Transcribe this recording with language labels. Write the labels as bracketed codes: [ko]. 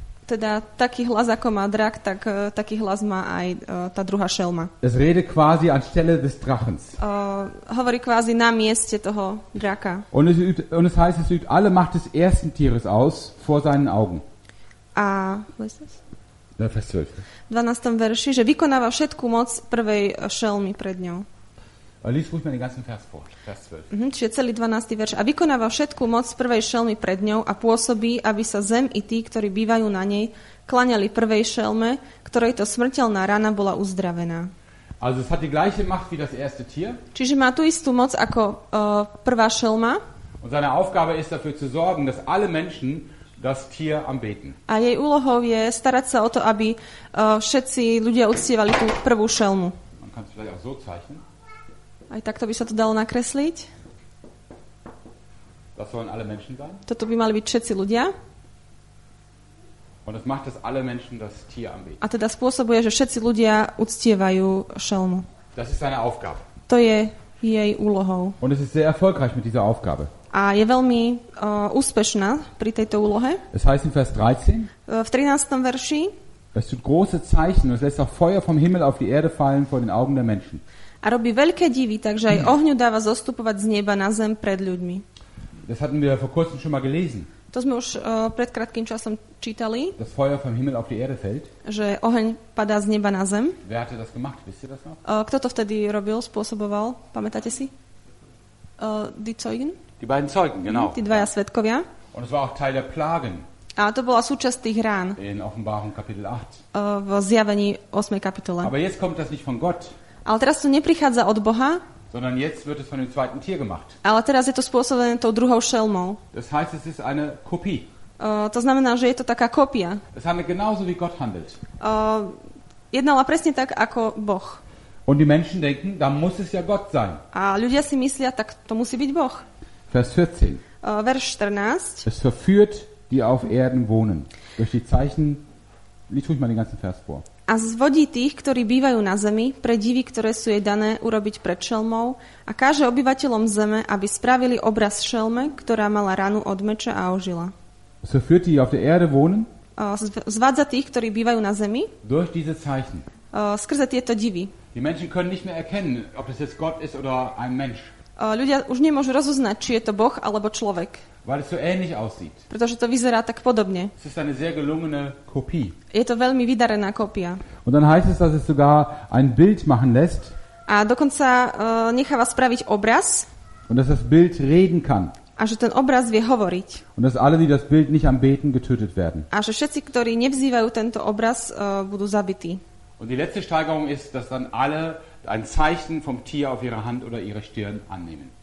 [sk] Teda taký hlas ako má drak, tak taký hlas má aj tá druhá šelma. [de] Es rede quasi anstelle des Drachens. [sk] Hovorí quasi na mieste toho draka. [de] Und es heißt, es übt alle Macht des ersten Tieres aus vor seinen Augen. A, wo ist das? Ja, Vers 12. 12. [sk] verši, že vykonáva všetku moc prvej šelmy pred ňou. [de] Lies ruhig mal den ganzen Vers vor. Vers 12. [sk] Čiže celý 12. verš. A vykonáva všetku moc prvej šelmy pred ňou a pôsobí, aby sa zem i tí, ktorí bývajú na nej, klaňali prvej šelme, ktorej to smrteľná rana bola uzdravená. [de] Also es hat die gleiche Macht wie das erste Tier. [sk] Čiže má tú istú moc ako prvá šelma. [de] Und seine Aufgabe ist dafür zu sorgen, dass alle Menschen das Tier anbeten. [sk] A jej úlohou je starať sa o to, aby všetci ľudia uctievali tú prvú šelmu. [de] Man kann es vielleicht auch so zeichnen. [sk] Aj takto by sa to dalo nakresliť. [de] Das sollen alle Menschen sein. [sk] Toto by mali byť všetci ľudia. [de] Und es macht, dass alle Menschen das Tier anbeten. [sk] A teda spôsobuje, že všetci ľudia uctievajú šelmu. [de] Das ist seine Aufgabe. [sk] To je jej úlohou. [de] Und es ist sehr erfolgreich mit dieser Aufgabe. [sk] A je veľmi úspešná pri tejto úlohe. [de] Es heißt in Vers 13. [sk] V 13. verši. [de] Es tut große Zeichen und es lässt auch Feuer vom Himmel auf die Erde fallen vor den Augen der Menschen. [sk] A robí veľké divy, takže aj ohňu dáva zostupovať z neba na zem pred ľuďmi. [de] Das hatten wir vor kurzem schon mal gelesen. [sk] To sme už pred krátkým časom čítali. [de] Das Feuer vom Himmel auf die Erde fällt. [sk] Že oheň padá z neba na zem. [de] Wer hatte das gemacht? Wisst ihr das noch? [sk] Kto to vtedy robil, spôsoboval? Pamätáte si? [de] Die Zeugen? Die beiden Zeugen, genau. [sk] Tí dvaja svedkovia. [de] Und es war auch Teil der Plagen. [sk] A to bola súčasť tých rán. [de] In Offenbarung Kapitel 8. [sk] V zjavení 8. kapitole. [de] Aber jetzt kommt das nicht von Gott. [sk] Ale teraz to neprichádza od Boha. [de] Sondern jetzt wird es von dem zweiten Tier gemacht. [sk] Ale teraz je to spôsobené tou druhou šelmou. [de] Das heißt, es ist eine Kopie. [sk] To znamená, že je to taká kopia. [de] Es handelt genauso wie Gott handelt. [sk] Jednala presne tak ako Boh. [de] Und die Menschen denken, da muss es ja Gott sein. [sk] A ľudia si myslia, tak to musí byť Boh. [de] Vers 14. [sk] Verš 14. [de] Es verführt die auf Erden wohnen durch die Zeichen. Lies ruhig mal den ganzen Vers vor. [sk] A zvodí tých, ktorí bývajú na zemi, pre divy, ktoré sú jej dané urobiť pred šelmou, a káže obyvateľom zeme, aby spravili obraz šelme, ktorá mala ranu od meča a ožila. [de] So führt die auf der Erde wohnen? [sk] Zvádza tých, ktorí bývajú na zemi? [de] Durch diese Zeichen. [sk] Skrze tieto divy. [de] Die Menschen können nicht mehr erkennen, ob das jetzt Gott ist oder ein Mensch. [sk] Ľudia už nemôžu rozoznať, či je to Boh alebo človek. [de] Weil es so ähnlich aussieht. [sk] Pretože to vyzerá tak podobne. [de] Es ist eine sehr gelungene Kopie. [sk] Je to veľmi vydarená kopia. [de] Und dann heißt es, dass es sogar ein Bild machen lässt. [sk] A dokonca necháva spraviť obraz. [de] Und dass das Bild reden kann. [sk] A že ten obraz vie hovoriť. [de] Und dass alle, die das Bild nicht anbeten, getötet werden. [sk] A že všetci, ktorí nevzývajú tento obraz, budú zabití. [de] Und die letzte Steigerung ist, dass dann alle ein Zeichen vom Tier auf ihre Hand oder ihre Stirn annehmen.